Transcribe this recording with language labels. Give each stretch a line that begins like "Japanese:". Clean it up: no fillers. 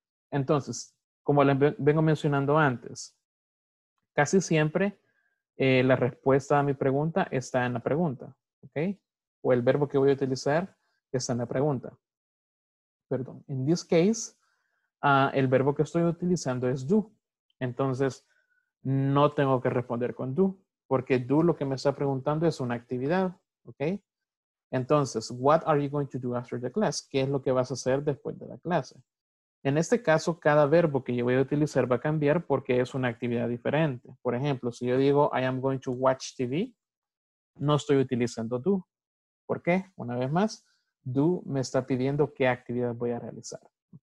Spanish: Entonces, como les vengo mencionando antes, casi siempre la respuesta a mi pregunta está en la pregunta. Okay? O el verbo que voy a utilizar está en la pregunta. Perdón. In this case, el verbo que estoy utilizando es do. Entonces, no tengo que responder con do. Porque do lo que me está preguntando es una actividad. ¿Ok?
English: Entonces, what are you going to do after the class?
Spanish: ¿Qué es lo que vas a hacer después de la clase? En este caso, cada verbo que yo voy a utilizar va a cambiar porque es una actividad diferente. Por ejemplo, si yo digo, I am going to watch TV, no estoy utilizando do. ¿Por qué? Una vez más, do me está pidiendo qué actividad voy a realizar. ¿Ok?